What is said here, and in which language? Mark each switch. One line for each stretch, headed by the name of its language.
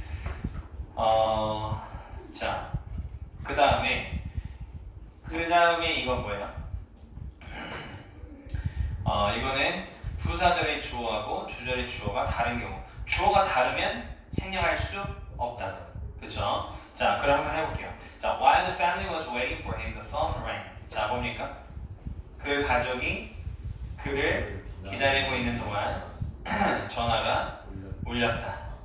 Korean: 자, 그 다음에 이건 뭐예요? 이거는 부사절의 주어하고 주절의 주어가 다른 경우. 주어가 다르면 생략할 수 없다. 그렇죠? 자, 그럼 한번 해볼게요.
English: 자, while the family was waiting for him, the phone rang.
Korean: 자, 뭡니까? 그 가족이 그를 기다리고 있는 동안 전화가 울렸다.